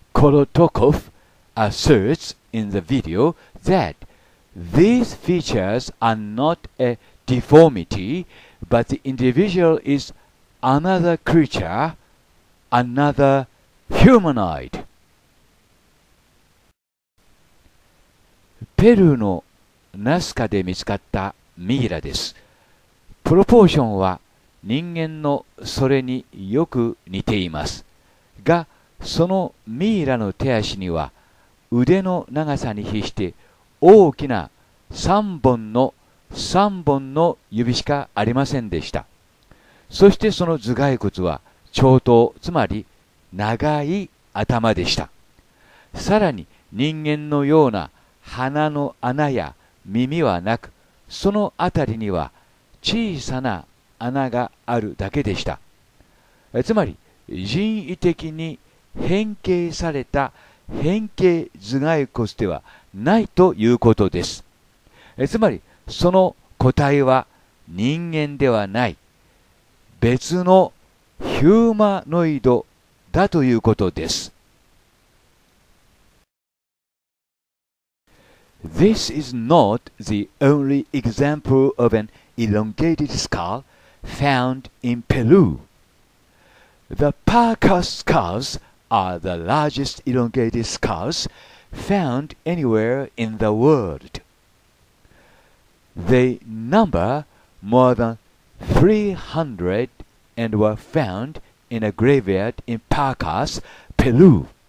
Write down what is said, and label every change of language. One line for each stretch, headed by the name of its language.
English: Kolotokov asserts in the video that these features are not aDeformity, but the individual is another creature, another humanoid.
Japanese: ペルーのナスカで見つかったミイラです。プロポーションは人間のそれによく似ています。が、そのミイラの手足には腕の長さに比して大きな3本の指しかありませんでした。そしてその頭蓋骨は長頭、つまり長い頭でした。さらに人間のような鼻の穴や耳はなく、そのあたりには小さな穴があるだけでした。つまり人為的に変形された変形頭蓋骨ではないということです。つまりその個体は人間ではない別のヒューマノイドだということです。
English: This is not the only example of an elongated skull found in Peru. The Paca skulls are the largest elongated skulls found anywhere in the worldThey number more than 300 and were found in a graveyard in Paracas, Peru.